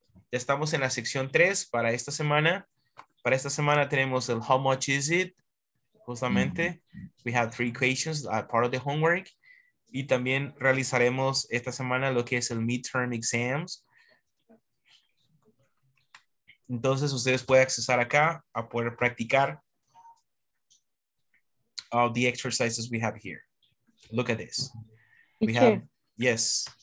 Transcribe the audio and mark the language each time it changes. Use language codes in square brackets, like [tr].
[es] Ya estamos en la sección 3 para esta semana. Para esta semana tenemos el [en] how much is it, [es] justamente. Mm-hmm. [en] We have three questions, part of the homework. [es] Y también realizaremos esta semana lo que es el midterm exams. Entonces, ustedes pueden accesar acá a poder practicar [en] all the exercises we have here. Look at this. Yes.